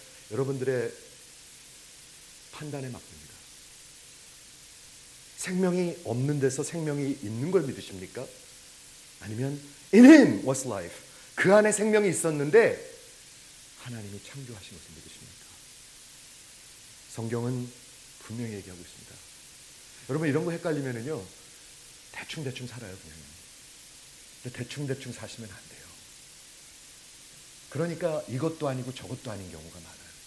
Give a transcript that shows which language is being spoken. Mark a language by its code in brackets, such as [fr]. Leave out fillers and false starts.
[ko] 여러분들의 판단에 맡깁니다. 생명이 없는 데서 생명이 있는 걸 믿으십니까? 아니면 [en] In him was life. [ko] 그 안에 생명이 있었는데 하나님이 창조하신 것을 믿으십니까? 성경은 분명히 얘기하고 있습니다. 여러분 이런 거 헷갈리면은요 대충대충 살아요 그냥. 근데 대충대충 사시면 안 돼요. 그러니까 이것도 아니고 저것도 아닌 경우가 많아요.